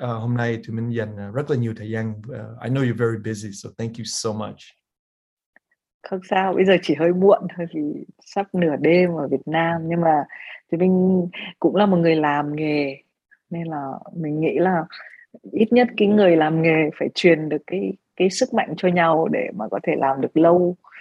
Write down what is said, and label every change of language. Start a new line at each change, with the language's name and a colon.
Vietnamese: Hôm nay tụi mình dành rất là nhiều thời gian.
English: I know you're very busy, so thank you so much.
Vietnamese: Không sao, bây giờ chỉ hơi muộn thôi vì sắp nửa đêm ở Việt Nam. Nhưng mà tụi mình cũng là một người làm nghề, nên là mình nghĩ là ít nhất cái người làm nghề phải truyền được cái sức mạnh cho nhau để mà có thể làm được lâu.